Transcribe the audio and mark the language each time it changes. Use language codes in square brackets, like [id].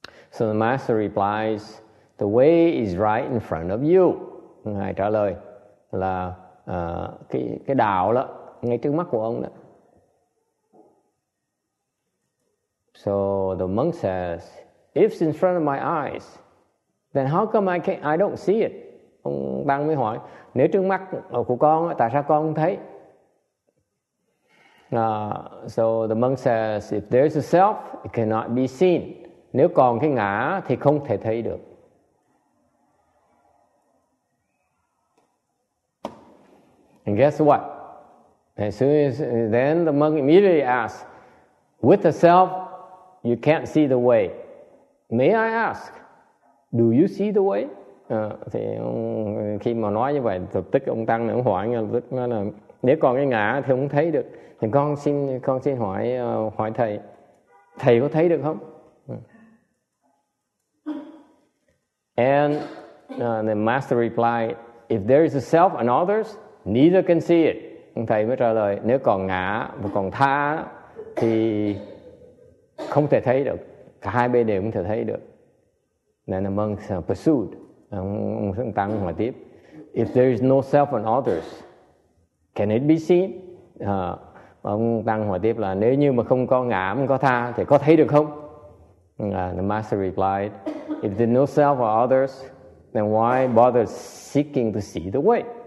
[en] So the master replies, the way is right in front of you. [vi] Ngài trả lời là cái đạo đó ngay trước mắt của ông đó. [en] So the monk says, if it's in front of my eyes, then how come I don't see it? [vi] Ông Tăng mới hỏi, nếu trước mắt của con, tại sao con không thấy? [en] So the monk says, if there's a self, it cannot be seen. [vi] Nếu còn cái ngã thì không thể thấy được. [en] And guess what? As soon as then the monk immediately asks, with the self, you can't see the way. May I ask, do you see the way? [vi] Thì khi mà nói như vậy, lập tức ông Tăng này ông hỏi ngay lập tức là nếu còn cái ngã thì không thấy được. Thì con xin hỏi hỏi thầy, thầy có thấy được không? [en] And the master replied, if there is a self and others, neither can see it. [vi] Thầy mới trả lời, nếu còn ngã và còn tha thì không thể thấy được, cả hai bên đều không thể thấy được. [en] Then the monk pursued, [vi] ông Tăng hỏi tiếp, [en] if there is no self and others, can it be seen? [vi] Ông Tăng hỏi tiếp là nếu như mà không có ngã, không có tha thì có thấy được không? [en] The master replied, if there is no self or others, then why bother seeking to see the way?